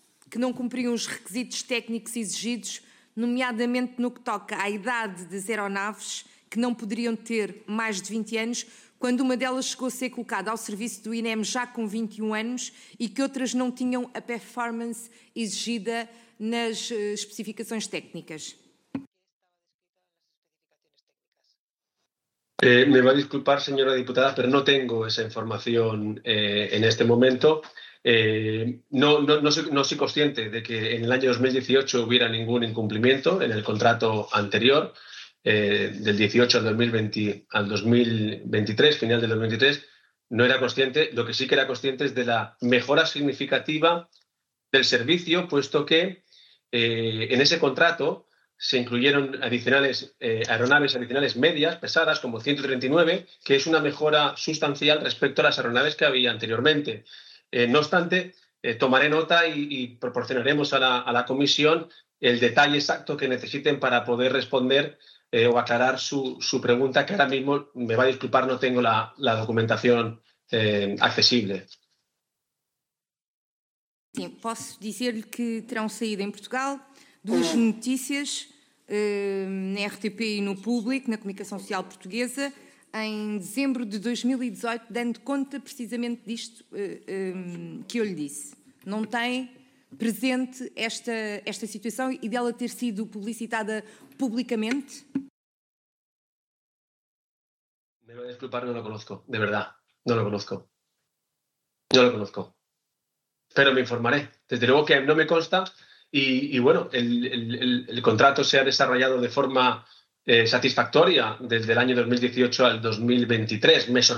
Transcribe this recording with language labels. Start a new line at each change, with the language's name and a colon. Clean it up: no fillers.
Portuguese: que não cumpriam os requisitos técnicos exigidos, nomeadamente no que toca à idade das aeronaves, que não poderiam ter mais de 20 anos, quando uma delas chegou a ser colocada ao serviço do INEM já com 21 anos e que outras não tinham a performance exigida nas especificações técnicas. Me vai desculpar, senhora deputada, mas não tenho essa informação neste momento.
Spanish: No soy consciente de que en el año 2018 hubiera ningún incumplimiento en el contrato anterior, del 18 al 2020 al 2023, final del 2023, no era consciente. Lo que sí que era consciente es de la mejora significativa del servicio, puesto que en ese contrato se incluyeron adicionales aeronaves adicionales medias, pesadas, como 139, que es una mejora sustancial respecto a las aeronaves que había anteriormente. No obstante, tomaré nota y proporcionaremos a la comisión el detalle exacto que necesiten para poder responder o aclarar su pregunta, que ahora mismo, me va a disculpar, no tengo la documentación accesible.
Portuguese: Sí, posso dizer-lhe que terão saído em Portugal duas notícias na RTP e no Público, na comunicação social portuguesa, em dezembro de 2018, dando conta precisamente disto que eu lhe disse. Não tem presente esta situação e dela ter sido publicitada publicamente? Me vai desculpar, não o conozco, de verdade. Não o conozco. Não o conozco. Pero me informaré. Desde logo que não me consta.
Spanish: E, bueno, el contrato se ha desarrollado de forma satisfactoria desde el año 2018 al 2023.